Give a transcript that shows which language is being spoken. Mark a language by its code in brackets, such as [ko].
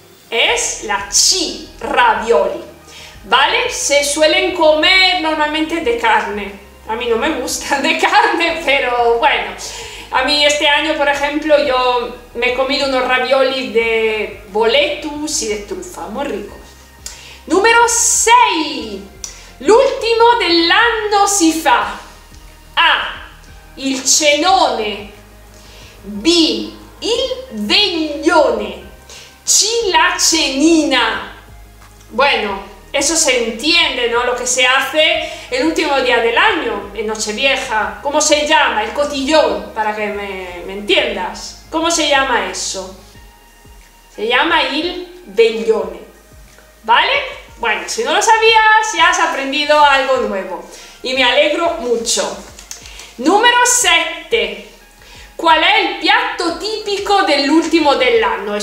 [es] Es la C, ravioli, ¿vale? Se suelen comer normalmente de carne. A mí no me gustan de carne, pero bueno. A mí este año, por ejemplo, yo me he comido unos raviolis de boletus y de trufa, muy rico. Número 6. [it] L'ultimo dell'anno si fa A. il cenone, B. il veglione, C. la cenina. [es] Bueno, eso se entiende, ¿no? Lo que se hace el último día del año, en Nochevieja. ¿Cómo se llama? El cotillón, para que me entiendas. ¿Cómo se llama eso? Se llama il veglione, ¿vale? Bueno, si no lo sabías, ya has aprendido algo nuevo. Y me alegro mucho. Número 7. ¿Cuál es el [it] piatto tipico dell'ultimo dell'anno?